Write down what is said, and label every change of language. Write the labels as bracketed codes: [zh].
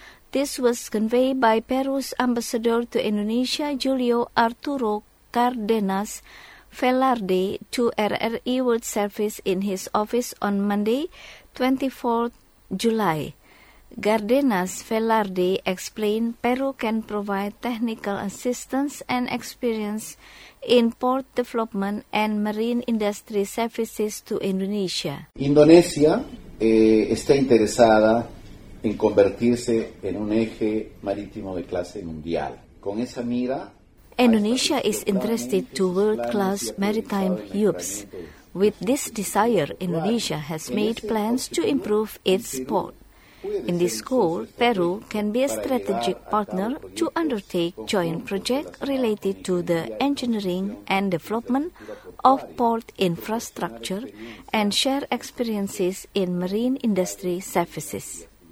[en] This was conveyed by Peru's ambassador to Indonesia, Julio Arturo Cardenas Velarde, to RRI World Service in his office on Monday, 24 July. Gardenas Velarde explained Peru can provide technical assistance and experience in port development and marine industry services to Indonesia. [es] Indonesia está interesada en convertirse en un eje marítimo de clase mundial. Con esa mira, [en] Indonesia is interested to world-class maritime hubs. With this desire, Indonesia has made plans to improve its port. In this goal, Peru can be a strategic partner to undertake joint projects related to the engineering and development of port infrastructure and share experiences in marine industry services.